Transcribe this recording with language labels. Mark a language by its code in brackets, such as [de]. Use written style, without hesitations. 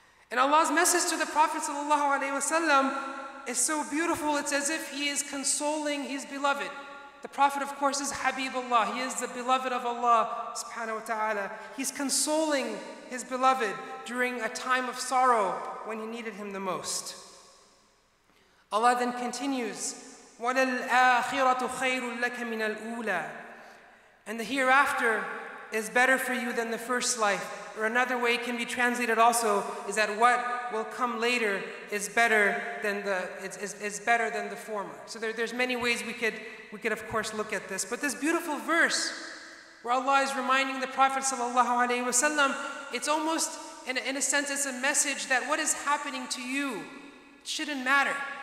[en] And Allah's message to the Prophet sallallahu alaihi wasallam is so beautiful. It's as if he is consoling his beloved. The Prophet, of course, is Habibullah. He is the beloved of Allah subhanahu wa ta'ala. He's consoling his beloved during a time of sorrow when he needed him the most. Allah then continues, [ar] وَلَلْآخِرَةُ خَيْرٌ لَكَ مِنَ الْأُولَى. [en] And the hereafter is better for you than the first life. Or another way it can be translated also is that what will come later is better than the former. So there's many ways we could of course look at this. But this beautiful verse where Allah is reminding the Prophet sallallahu alaihi wasallam, it's almost in a sense it's a message that what is happening to you shouldn't matter.